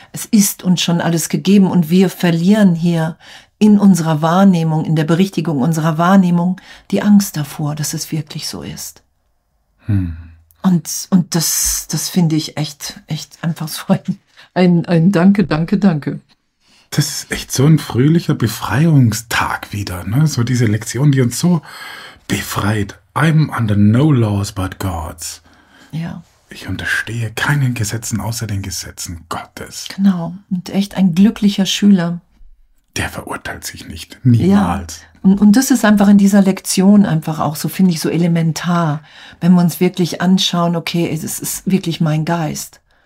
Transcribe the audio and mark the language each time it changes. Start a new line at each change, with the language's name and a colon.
German: Es ist uns schon alles gegeben und wir verlieren hier in unserer Wahrnehmung, in der Berichtigung unserer Wahrnehmung, die Angst davor, dass es wirklich so ist. Und das finde ich echt einfach so ein Danke, Danke, Danke. Das ist echt so ein fröhlicher Befreiungstag wieder, ne? So diese Lektion, die uns so befreit.
English: I'm under no laws but God's.
German: Ja. Ich unterstehe keinen Gesetzen außer den Gesetzen Gottes. Genau. Und echt ein glücklicher Schüler. Der verurteilt sich nicht. Niemals. Ja. Und das ist einfach in dieser Lektion einfach auch so, finde ich, so elementar. Wenn wir uns wirklich anschauen, okay, es ist wirklich mein Geist.